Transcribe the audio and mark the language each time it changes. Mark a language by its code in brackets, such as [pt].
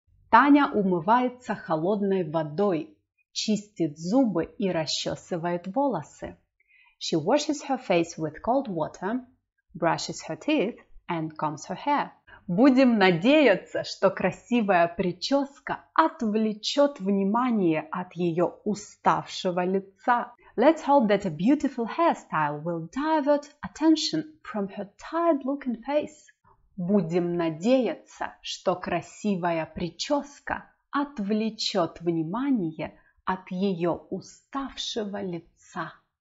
[ru] Таня умывается холодной водой, чистит зубы и расчесывает волосы. [en] She washes her face with cold water, brushes her teeth, and combs her hair. [ru] Будем надеяться, что красивая прическа отвлечет внимание от ее уставшего лица. [en] Let's hope that a beautiful hairstyle will divert attention from her tired-looking face. [ru] Будем надеяться, что красивая прическа отвлечет внимание от ее уставшего лица.